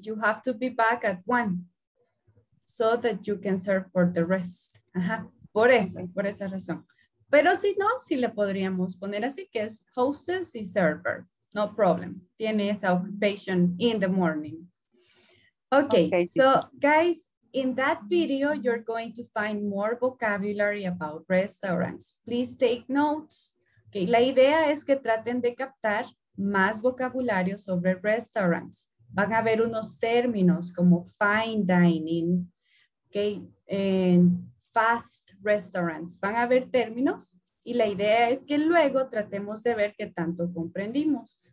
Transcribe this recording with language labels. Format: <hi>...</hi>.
<en>You have to be back at 1 so that you can serve for the rest.</en> <es>Ajá. Por eso, por esa razón. Pero si no, si le podríamos poner así, que es hostess y server.</es> <en>No problem.</en> <es>Tiene esa</es> <en>occupation in the morning. Okay, okay, so guys, in that video, you're going to find more vocabulary about restaurants. Please take notes.</en> <es>Okay, la idea es que traten de captar más vocabulario sobre restaurants. Van a ver unos términos como fine dining, okay,</es> <en>and fast restaurants.</en> <es>Van a ver términos y la idea es que luego tratemos de ver qué tanto comprendimos.</es>